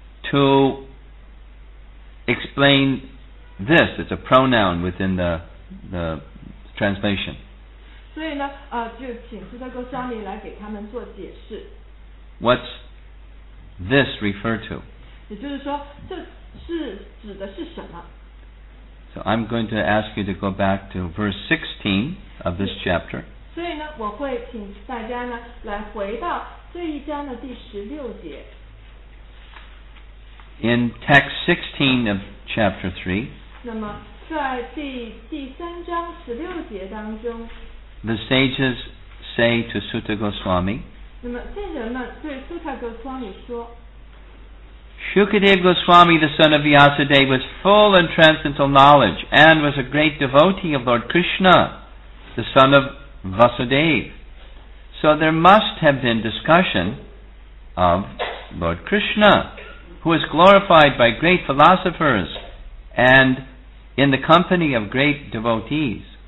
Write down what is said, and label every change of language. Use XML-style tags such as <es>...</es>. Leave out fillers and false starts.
<en>to explain this. It's a pronoun within the translation.</en> <zh>所以呢，就请Sutta Goswami来给他们做解释。</zh> <en>What's this refer to?</en> <zh>也就是说，这是指的是什么？</zh> <en>So I'm going to ask you to go back to verse 16 of this chapter.</en> <zh>所以呢, 我会请大家呢, 来回到这一章的第16节。</zh> <en>In text 16 of chapter 3,</en> <zh>那么在第三章16节当中,</zh> <en>the sages say to Sutta Goswami,</en> <zh>那么圣人们对苏塔格斯瓦米说,</zh> <en>Shukadeva Goswami, the son of Vyasadeva, was full and transcendental knowledge and was a great devotee of Lord Krishna, the son of Vasudeva. So there must have been discussion of Lord Krishna, who is glorified by great philosophers and in the company of great devotees.</en>